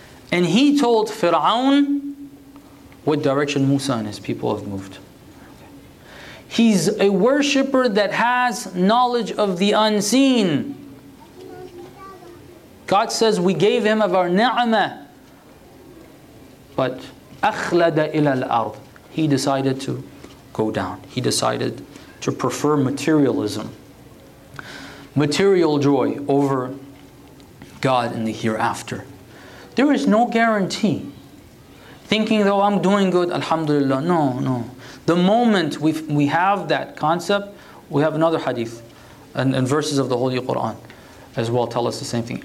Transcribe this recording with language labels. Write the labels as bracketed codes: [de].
[en] And he told Fir'aun what direction Musa and his people have moved. He's a worshipper that has knowledge of the unseen. God says, we gave him of our ni'mah. [ar] But, أَخْلَدَ إِلَى الْأَرْضِ. [en] He decided to go down. He decided to prefer materialism, material joy over God in the hereafter. There is no guarantee. Thinking, though, I'm doing good, alhamdulillah. No, no. The moment we have that concept, we have another hadith and verses of the Holy Quran as well tell us the same thing.